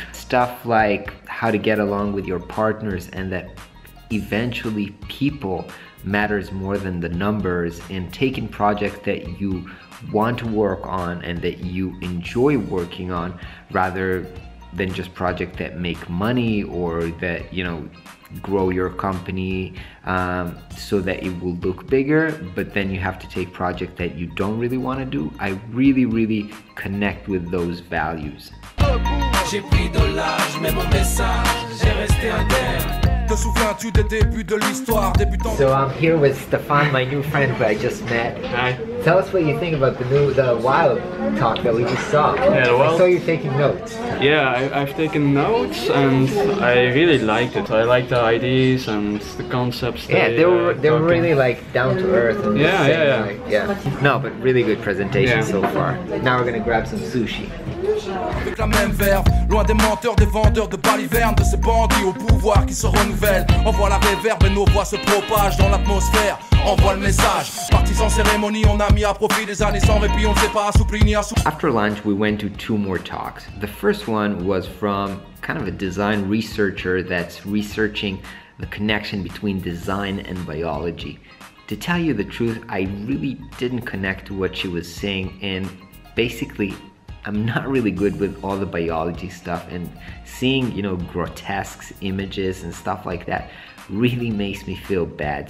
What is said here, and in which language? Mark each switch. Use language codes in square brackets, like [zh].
[en] Stuff like how to get along with your partners and that eventually people matters more than the numbers, and taking projects that you want to work on and that you enjoy working on rather than just projects that make money or that, you know, grow your company so that it will look bigger, but then you have to take projects that you don't really want to do. I really, really connect with those values. [fr] J'ai pris de l'âge, mais mon message, j'ai resté indemne. [en] So I'm here with Stefan, my new friend who I just met. Hi. Tell us what you think about the Wild talk that we just saw. Yeah, well, I saw you taking notes. Yeah, I've taken notes and I really liked it. I liked the ideas and the concepts. Yeah, they were really like down to earth. And yeah. No, but really good presentation so far. Now we're gonna grab some sushi. [fr] Avec la même verve, loin des menteurs, des vendeurs de balivernes, de ces bandits au pouvoir qui se renouvellent. On voit la réverbe et nos voix se propagent dans l'atmosphère. Envoie le message, parti sans cérémonie, on a mis à profit des années sans répit, on ne sait pas assoupli ni assoupli. [en] After lunch, we went to two more talks. The first one was from kind of a design researcher that's researching the connection between design and biology. To tell you the truth, I really didn't connect to what she was saying, and basically I'm not really good with all the biology stuff, and seeing, you know, grotesque images and stuff like that really makes me feel bad.